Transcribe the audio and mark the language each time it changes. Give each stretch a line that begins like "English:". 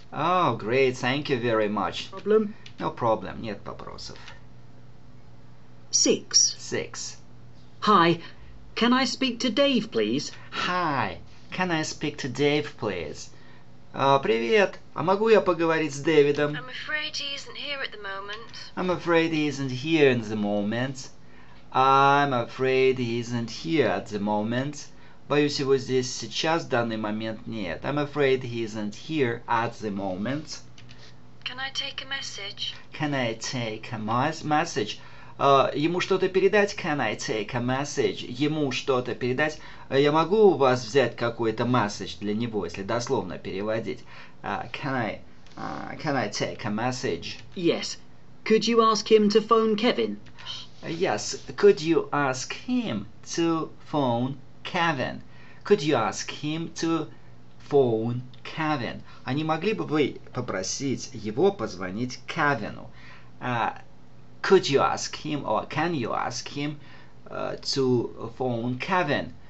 English: Oh, great. Thank you very much. Problem? No problem.
Russian: Нет вопросов.
English: Six. Six. Hi. Can I speak to Dave, please? Hi. Can I speak to Dave, please?
Russian: Привет. А могу я поговорить с Дэвидом?
English: I'm afraid he isn't here at the moment. I'm afraid he isn't here in the moment. I'm afraid he isn't here at the moment.
Russian: Боюсь, его здесь сейчас, в данный момент, нет.
English: I'm afraid he isn't here at the moment. Can I take a message? Can I take a message?
Russian: Ему что-то передать?
English: Can I take a message?
Russian: Ему что-то передать? Я могу у вас взять какой-то message для него, если дословно переводить?
English: Can I take a message? Yes. Could you ask him to phone Kevin? Yes, could you ask him to phone Kevin? Could you ask him to phone Kevin?
Russian: А не могли бы вы попросить его позвонить Кевину?
English: Could you ask him or can you ask him to phone Kevin?